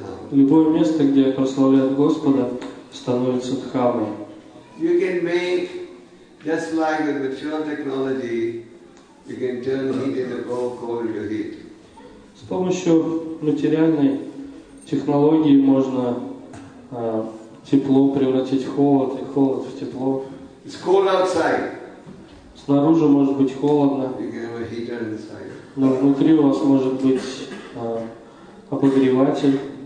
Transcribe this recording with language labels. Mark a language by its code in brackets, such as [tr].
[ru] Любое место, где прославляют Господа, становится Дхамой. [en] You can make, just like with mature technology, you can turn heat into cold, cold into heat. [ru] С помощью материальной технологии можно тепло превратить в холод, и холод в тепло. [en] It's cold outside. [ru] Снаружи может быть холодно. [en] You can have a heater inside. [ru] Но внутри у вас может быть обогреватель.